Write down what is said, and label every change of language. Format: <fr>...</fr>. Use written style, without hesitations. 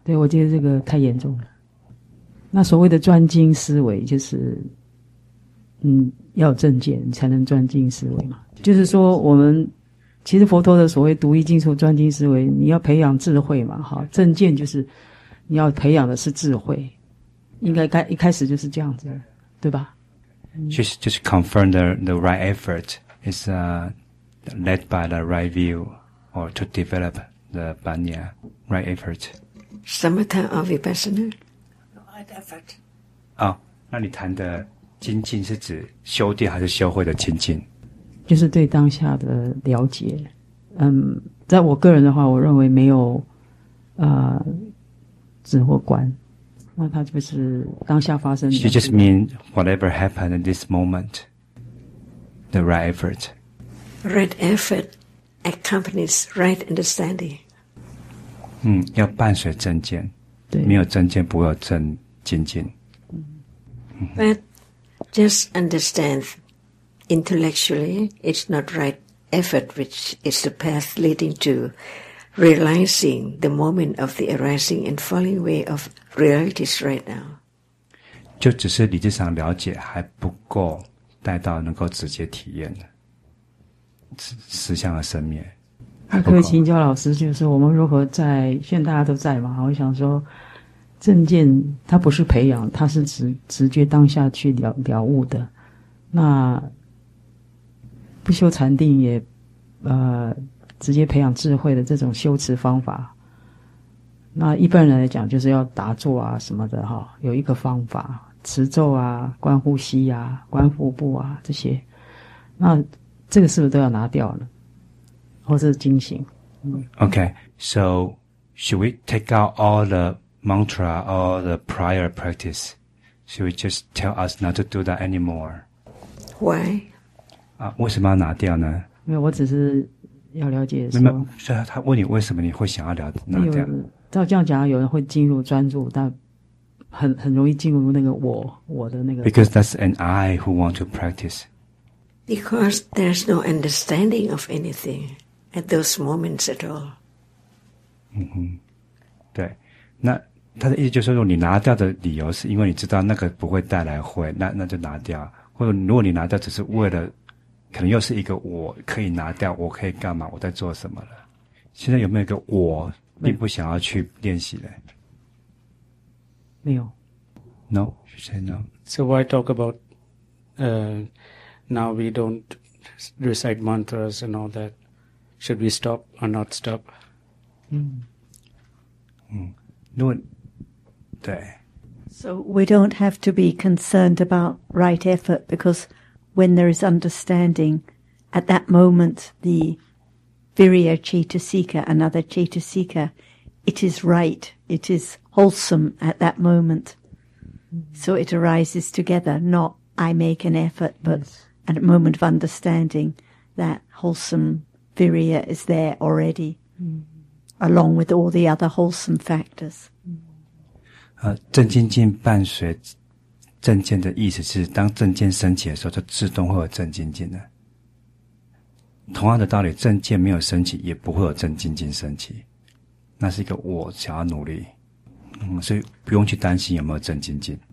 <zh>对，我觉得这个太严重了。那所谓的专精思维，就是要有正见你才能专精思维嘛。就是说我们其实佛陀的所谓独一静处专精思维，你要培养智慧嘛。好，正见就是你要培养的是智慧，应该一开始就是这样子，对吧？</zh> <en>Just confirm the right effort is led by the right view or to developThe banya, right effort. Samatha or vipassana? Right effort.</en> <zh>哦，那你谈的精进是指修定还是修慧的精进？就是对当下的了解。在我个人的话，我认为没有止或观。那它就是当下发生的。</zh> <en>She just mean whatever happened in this moment, the right effort. Right effort. Accompanies right understanding.</en> <zh>要伴随正见。对。没有正见不会有正精进。</zh> <en>But just understand intellectually, it's not right effort which is the path leading to realizing the moment of the arising and falling away of realities right now.</en> <zh>就只是理智上了解还不够带到能够直接体验的。实相和生灭，那可以请教老师，就是我们如何在现在大家都在嘛？我想说，正见它不是培养，它是直觉当下去了悟的。那不修禅定也，直接培养智慧的这种修持方法，那一般人来讲就是要打坐啊什么的哈，有一个方法，持咒啊、观呼吸啊、观腹部啊这些，那。这个是不是都要拿掉了或是精行</zh> <en>Okay, so should we take out all the mantra, all the prior practice? Should we just tell us not to do that anymore? Why?</en> <zh>为什么要拿掉呢？没有，我只是要了解说。所以他问你为什么你会想要拿掉。没有，照这样讲，有人会进入专注，但很容易进入那个我的那个。</zh> <en>Because that's an I who want to practice. Because there's no understanding of anything at those moments at all.</en> <zh>对，那他的意思就是说，你拿掉的理由是因为你知道那个不会带来慧，那就拿掉。或者如果你拿掉只是为了，可能又是一个我可以拿掉，我可以干嘛？我在做什么了？现在有没有一个我并不想要去练习的？没有。</zh> <en>No, she said no. So why talk about, Now we don't recite mantras and all that. Should we stop or not stop?</en> <zh>对。</zh> <en>So we don't have to be concerned about right effort because when there is understanding, at that moment, the virya chetasika, another chetasika, it is right, it is wholesome at that moment. So it arises together, not I make an effort, but... At a moment of understanding, that wholesome virya is there already, along with all the other wholesome factors.</en> <zh>正精进伴随正见的意思是，当正见升起的时候，就自动会有正精进的。同样的道理，正见没有升起，也不会有正精进升起。那是一个我想要努力，所以不用去担心有没有正精进。</zh>